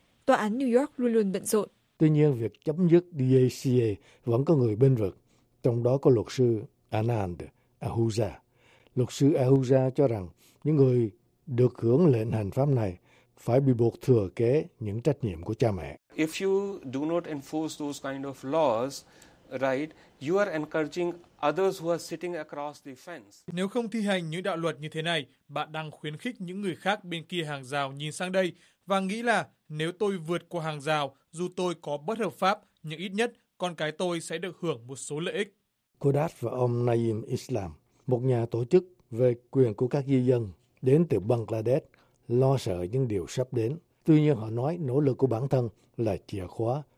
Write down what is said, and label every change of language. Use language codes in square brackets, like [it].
[vi] Tòa án New York luôn luôn bận rộn. Tuy nhiên, việc chấm dứt DACA vẫn có người bên vực, trong đó có luật sư Anand Ahuja. Luật sư Ahuja cho rằng những người được hưởng lệnh hành pháp này phải bị buộc thừa kế những trách nhiệm của cha mẹ. [en] If you do not enforce those kind of laws, right, you are encouraging others who are sitting across the fence. [vi] Nếu không thi hành những đạo luật như thế này, bạn đang khuyến khích những người khác bên kia hàng rào nhìn sang đây và nghĩ là nếu tôi vượt qua hàng rào, dù tôi có bất hợp pháp, nhưng ít nhất con cái tôi sẽ được hưởng một số lợi ích. Cô Đát và ông Naim Islam, một nhà tổ chức về quyền của các di dân đến từ Bangladesh, lo sợ những điều sắp đến. Tuy nhiên họ nói nỗ lực của bản thân là chìa khóa